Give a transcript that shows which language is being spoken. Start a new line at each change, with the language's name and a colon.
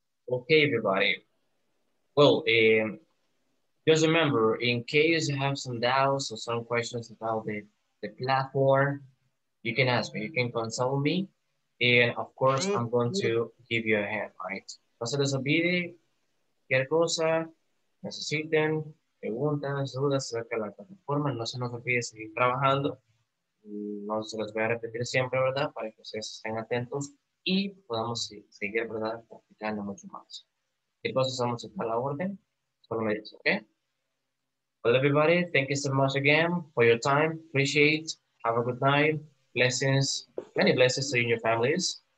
English: Okay, everybody. Well, just remember, in case you have some doubts or some questions about the platform, you can ask me, you can consult me. And of course, I'm going to give you a hand, right?
Spanish: Pasa los videos, qué cosa necesiten. Preguntas, dudas acerca de la plataforma, no se nos olvide seguir trabajando. No se los voy a repetir siempre, ¿verdad? Para que ustedes estén atentos y podamos seguir, ¿verdad? Practicando mucho más. ¿Qué cosas vamos a estar a la orden? So solo me dices, ¿ok?
English: Well, everybody, thank you so much again for your time. Appreciate. Have a good night. Blessings, many blessings to you and your families.